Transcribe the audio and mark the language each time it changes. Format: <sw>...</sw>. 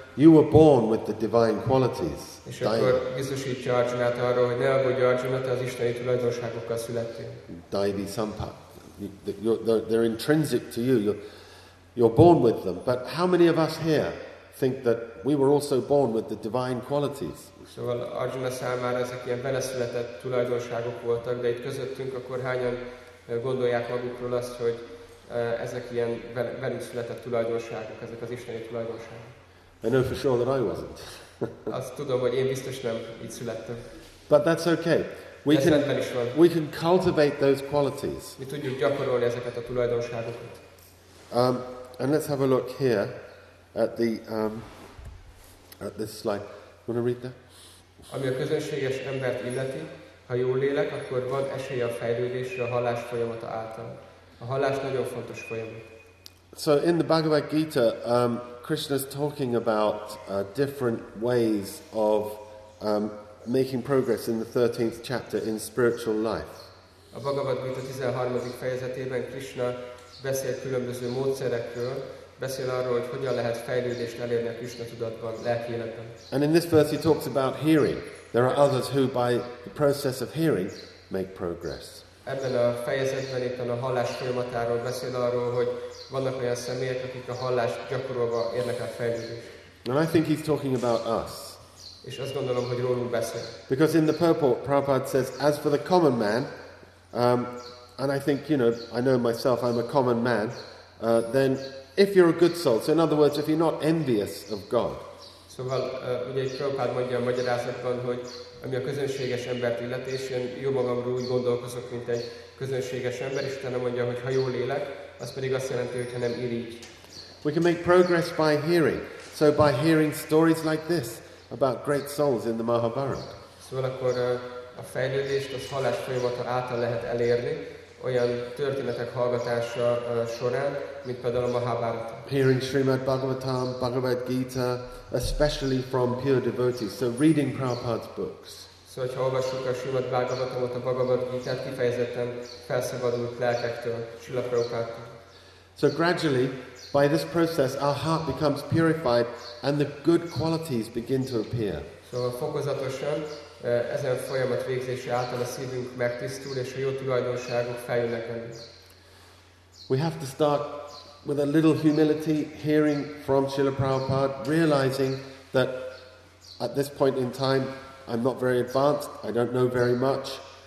<en>You were born with the divine qualities."</en> <hu>És akkor biztosítja Arjunát arról, hogy ne aggódj, Arjuna, te az isteni tulajdonságokkal születtél.</hu> <en>Daivi sampat. They're intrinsic to you. You're born with them. But how many of us here think that we were also born with the divine qualities?</en> <hu>Szóval Arjuna számára ezek ilyen beleszületett tulajdonságok voltak, de itt közöttünk, akkor hányan gondolják magukról azt, hogy ezek ilyen velünk született tulajdonságok, ezek az isteni tulajdonságok.</hu> <en>I know for sure that I wasn't.</en> <hu>Azt tudom, hogy én biztos nem így születtem.</hu> <en>But that's okay. We can cultivate those qualities.</en> <hu>Mi tudjuk gyakorolni ezeket a tulajdonságokat.</hu> <en>And let's have a look here at this slide. You want to read that?</en> <hu>Ami a közönséges embert illeti, ha jó lélek, akkor van esélye a fejlődésre a hallás folyamata által. A hallás nagyon fontos folyamat.</hu> <en>So in the Bhagavad Gita, Krishna's talking about different ways of making progress in the 13th chapter in spiritual life.</en> <hu>A Bhagavad Gita 13. fejezetében Krishna beszél különböző módszerekről, beszél arról, hogy hogyan lehet fejlődést elérni a Krishna tudatban, lelki életben.</hu> <en>And in this verse he talks about hearing. There are others who by the process of hearing make progress.</en> <hu>Ebben a fejezetben éppen a hallás folyamatáról beszél arról, hogy vannak olyan személyek, akik a hallást gyakorolva érnek el fejlődést.</hu> <en>And I think he's talking about us.</en> <hu>És azt gondolom, hogy rólunk beszél.</hu> <en>Because in the purport, Prabhupada says, as for the common man, and I think, you know, I know myself, I'm a common man, then if you're a good soul, so in other words, if you're not envious of God.</en> <hu>Szóval, ugye egy Prabhupada mondja a magyarázatban, hogy ami a közönséges embert illeti, és én jó magamról úgy gondolkozok, mint egy közönséges ember, és utána mondja, hogy ha jól élek, az pedig azt jelenti, hogyha nem irigy.</hu> <en>We can make progress by hearing. So by hearing stories like this about great souls in the Mahabharata.</en> <hu>Szóval akkor a fejlődést az hallás folyamata által lehet elérni, olyan történetek hallgatása során, mint például a Mahabharata.</hu> <en>Hearing Srimad Bhagavatam, Bhagavad Gita, especially from pure devotees. So reading Prabhupada's books.</en> <hu>Szóval, hogyha olvassuk a Srimad Bhagavatamot, a Bhagavad Gita-t, kifejezetten felszabadult lelkektől, Srila Prabhupada.</hu> <en>So gradually, by this process, our heart becomes purified, and the good qualities begin to appear.</en> <hu>Szóval fokozatosan, ezen folyamat végzése által a szívünk megtisztul, és a jó tulajdonságok feljönnek elő.</hu> <en>We have to start with a little humility, hearing from Srila Prabhupada, realizing that at this point in time, I'm not very advanced, I don't know very much.</en>